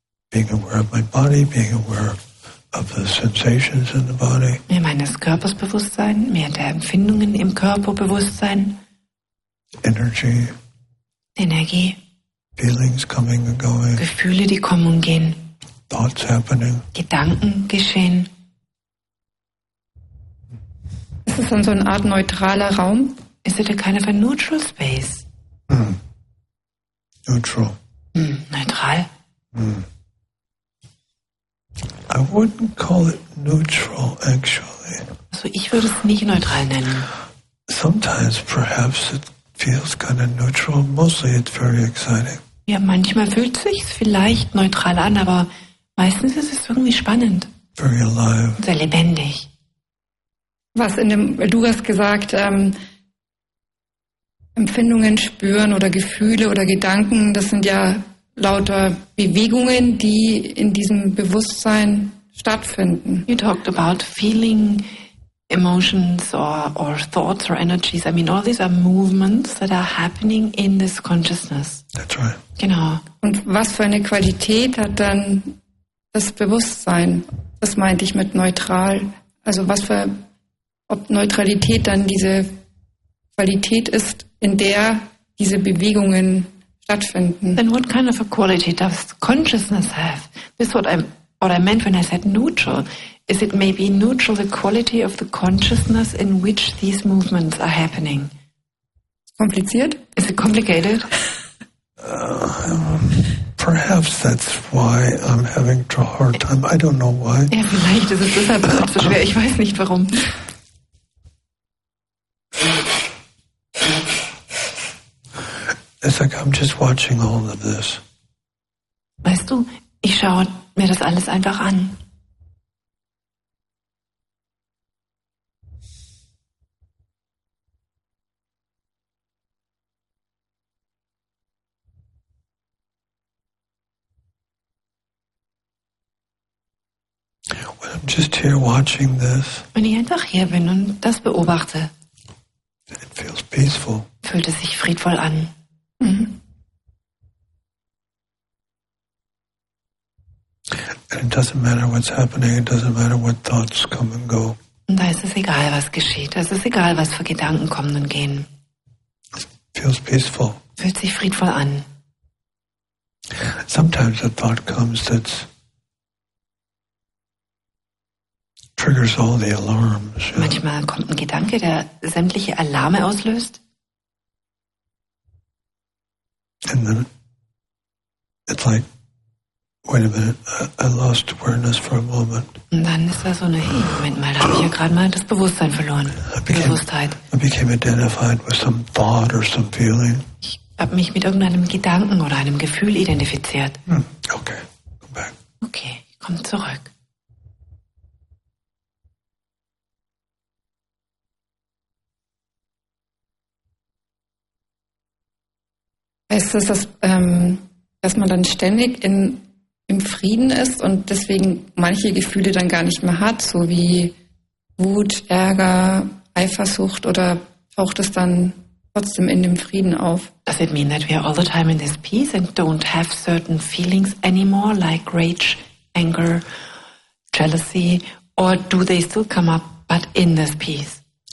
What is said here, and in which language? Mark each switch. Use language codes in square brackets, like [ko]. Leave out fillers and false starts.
[en] Being aware of my body, being aware of the sensations in the body. [de] Mir meines Körpers bewusst sein, mir der Empfindungen im Körper bewusst sein. [en] Energy. [de] Energie. [en] Feelings coming and going. [de] Gefühle, die kommen und gehen. [en] Thoughts happening. [de] Gedanken geschehen. Ist es dann so eine Art neutraler Raum? [en] Is it a kind of a neutral space? Mm. Neutral. Mm. Neutral. Mm. I wouldn't call it neutral, actually. [de] Also ich würde es nicht neutral nennen. [en] Sometimes perhaps it feels kind of neutral. Mostly it's very exciting. [de] Ja, manchmal fühlt sich's vielleicht neutral an, aber meistens ist es irgendwie spannend. [en] Very alive. [de] Sehr lebendig. Was in dem, du hast gesagt, Empfindungen spüren oder Gefühle oder Gedanken, das sind ja lauter Bewegungen, die in diesem Bewusstsein stattfinden. [en] You talked about feeling emotions or thoughts or energies. I mean, all these are movements that are happening in this consciousness. That's right. [de] Genau. Und was für eine Qualität hat dann das Bewusstsein? Das meinte ich mit neutral. Also was für, ob Neutralität dann diese Qualität ist, in der diese Bewegungen stattfinden. [en] Then what kind of a quality does consciousness have? This is what I meant when I said neutral. Is it maybe neutral, the quality of the consciousness in which these movements are happening? [de] Kompliziert? [en] Is it complicated? Perhaps that's why I'm having a hard time. I don't know why. [de] Ja, vielleicht ist es deshalb auch so schwer. Ich weiß nicht warum. [en] It's like I'm just watching all of this. [de] Weißt du, ich schaue mir das alles einfach an. [en] When I'm just here watching this. [de] Wenn ich einfach hier bin und das beobachte. [en] It feels peaceful. [de] Fühlt es sich friedvoll an. [en] And it doesn't matter what's happening, it doesn't matter what thoughts come and go. [de] Und da ist es egal, was geschieht. Es ist egal, was für Gedanken kommen und gehen. It feels peaceful. Fühlt sich friedvoll an. [en] Sometimes a thought comes that triggers all the alarms. Yeah. [de] Manchmal kommt ein Gedanke, der sämtliche Alarme auslöst. [en] And then it's like, wait a minute, I lost awareness for a moment. [de] Und dann ist da so eine, hey, Moment mal, da habe ich hier gerade mal das Bewusstsein verloren. [en] I became identified with some thought or some feeling. [de] Ich habe mich mit irgendeinem Gedanken oder einem Gefühl identifiziert. [en] Okay, come back. [de] Okay, ich komme zurück. Heißt das, dass man dann ständig im Frieden ist und deswegen manche Gefühle dann gar nicht mehr hat, so wie Wut, Ärger, Eifersucht, oder taucht es dann trotzdem in dem Frieden auf? [en] Does it mean that we are all the time in this peace and don't have certain feelings anymore, like rage, anger, jealousy, or do they still come up, but in this peace?